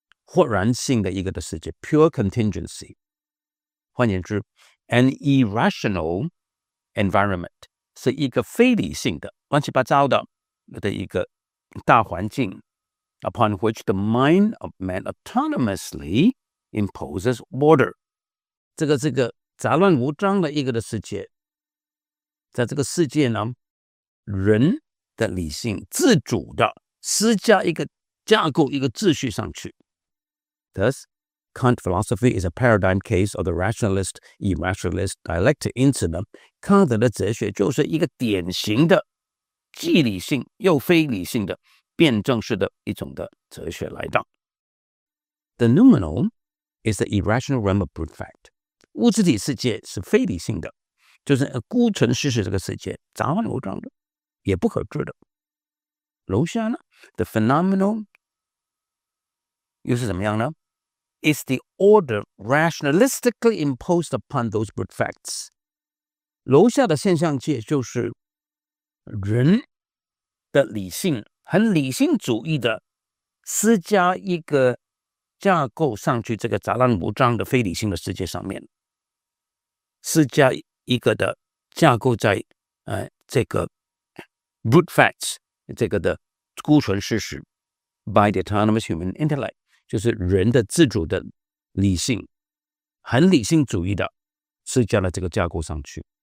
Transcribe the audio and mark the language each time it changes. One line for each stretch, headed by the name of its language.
Chinese: 豁然性的一个的世界
English: pure contingency，
Chinese: 换言之
English: an irrational environment
Chinese: 是一个非理性的乱七八糟的的一个大环境
English: upon which the mind of man autonomously imposes order，
Chinese: 这个杂乱无章的一个的世界，在这个世界呢，人的理性自主的施加一个架构，一个秩序上去。
English: Thus, Kant philosophy is a paradigm case of the rationalist-irrationalist dialectic.
Chinese: 因此呢，康德的哲学就是一个典型的既理性又非理性的辩证式的一种的哲学来的。
English: The noumenal is the irrational realm of brute fact.
Chinese: 物质体世界是非理性的，就是孤存事实，这个世界杂乱无章的，也不可知的。楼下呢
English: ，the phenomenal
Chinese: 又是怎么样呢
English: ？Is the order rationalistically imposed upon those brute facts？
Chinese: 楼下的现象界就是人的理性，很理性主义的施加一个架构上去，这个杂乱无章的非理性的世界上面，施加一个的架构在这个 brute facts 这个的孤存事实
English: by the autonomous human intellect，
Chinese: 就是人的自主的理性，很理性主义的施加了这个架构上去。